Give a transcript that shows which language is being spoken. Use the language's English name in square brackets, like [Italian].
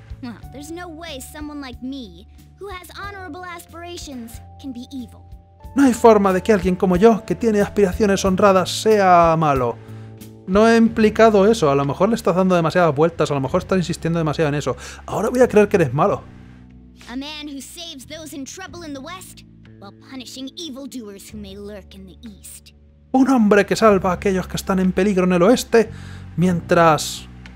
[English] Well, there's no way someone like me, who has honorable aspirations, can be evil. [Spanish] No hay forma de que alguien como yo, que tiene aspiraciones honradas, sea malo. No he implicado eso, a lo mejor le estás dando demasiadas vueltas, a lo mejor estás insistiendo demasiado en eso. Ahora voy a creer que eres malo. [English] A man who saves those in trouble in the west, while punishing evildoers who may lurk in the east. [Spanish] Un hombre que salva a aquellos que están en peligro en el oeste, mientras...